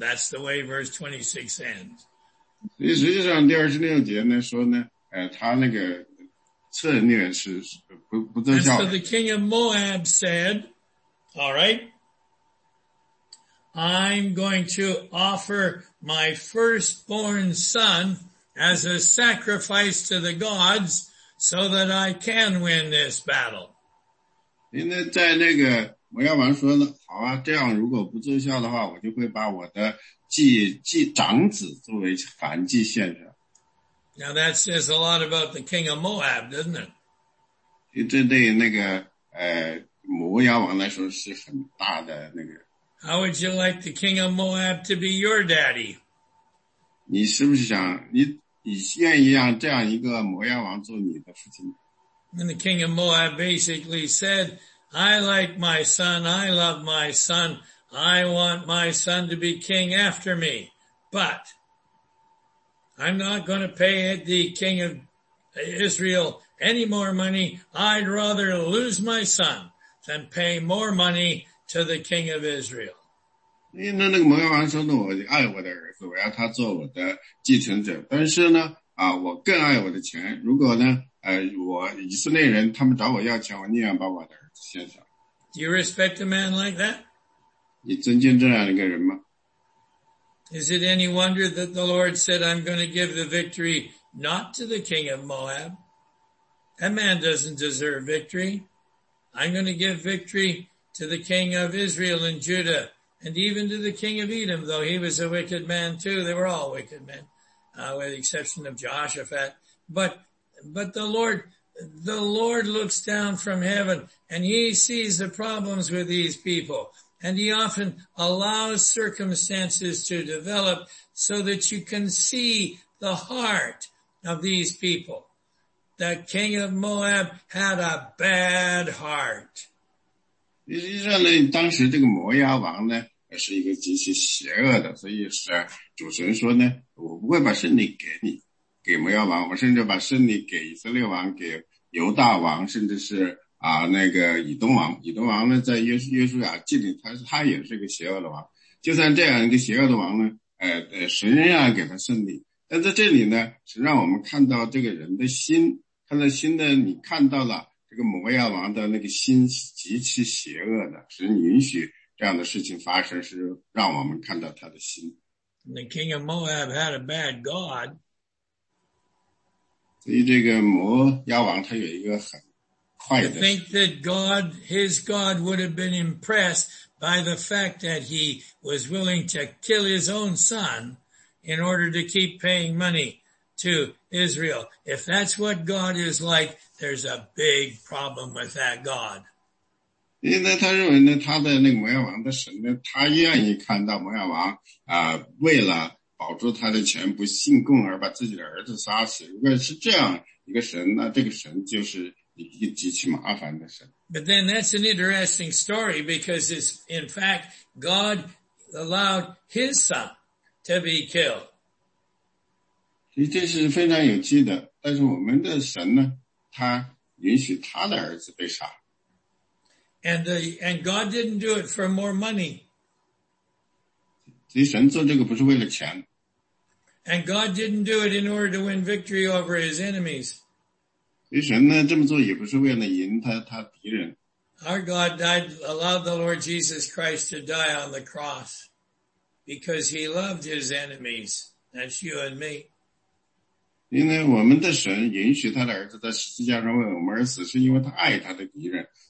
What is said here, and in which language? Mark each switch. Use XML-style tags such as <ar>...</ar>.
<en>That's the way verse 26 ends.</en> <zh>所以实际上第二十六节呢说呢，他那个。</zh> <en>So the king of Moab said, all right, I'm going to offer my firstborn son as a sacrifice to the gods so that I can win this battle.</en> <zh>因为在那个摩押王说呢，好啊，这样如果不奏效的话，我就会把我的祭长子作为燔祭献上。</zh> <en>Now that says a lot about the king of Moab, doesn't it?</en> <zh>这对那个摩押王来说是很大的那个。</zh> <en>How would you like the king of Moab to be your daddy?</en> <zh>你是不是想你愿意让这样一个摩押王做你的父亲？</zh> <en>And the king of Moab basically said, I like my son, I love my son, I want my son to be king after me, but... I'm not going to pay the king of Israel any more money. I'd rather lose my son than pay more money to the king of Israel.</en> <zh>那那个摩押王说呢，我爱我的儿子，我要他做我的继承者。但是呢，我更爱我的钱。如果呢，我以色列人他们找我要钱，我宁愿把我的儿子献上。</zh> <en>Do you respect a man like that?</en> <zh>你尊敬这样一个人吗？</zh> <en>Is it any wonder that the Lord said, I'm going to give the victory not to the king of Moab? That man doesn't deserve victory. I'm going to give victory to the king of Israel and Judah, and even to the king of Edom, though he was a wicked man too. They were all wicked men, with the exception of Jehoshaphat. But the Lord looks down from heaven, and he sees the problems with these people. And he often allows circumstances to develop so that you can see the heart of these people. The king of Moab had a bad heart.</en> <zh>实际上呢，当时这个摩押王呢，是一个极其邪恶的，所以是主神说呢，我不会把胜利给你，给摩押王，我甚至把胜利给以色列王，给犹大王，甚至是啊，那个以东王，以东王呢，在约书亚记里，他也是个邪恶的王。就算这样一个邪恶的王呢，神仍然给他胜利。但在这里呢，是让我们看到这个人的心，他的心呢，你看到了这个摩押王的那个心极其邪恶的，是允许这样的事情发生，是让我们看到他的心。</zh> <en>The king of Moab had a bad god.</en> <zh>所以这个摩押王他有一个很坏的。</zh> <en>I think that God, his God would have been impressed by the fact that he was willing to kill his own son in order to keep paying money to Israel. If that's what God is like, there's a big problem with that God.</en> <zh>因为他认为呢，他的那个摩押王的神呢，他愿意看到摩押王为了保住他的钱不信供而把自己的儿子杀死。如果是这样一个神，那这个神就是一个极其麻烦的神。</zh> <en>But then that's an interesting story because it's in fact God allowed His son to be killed.</en> <zh>其实这是非常有趣的，但是我们的神呢，他允许他的儿子被杀。</zh> <en>And God didn't do it for more money.</en> <zh>其实神做这个不是为了钱。</zh> <en>And God didn't do it in order to win victory over his enemies.</en> <zh>其实神呢，这么做也不是为了赢他敌人。</zh> <en>Our God died, allowed the Lord Jesus Christ to die on the cross because he loved his enemies. That's you and me.</en> <zh>因为我们的神允许他的儿子在十字架上为我们而死，是因为他爱他的敌人。</zh>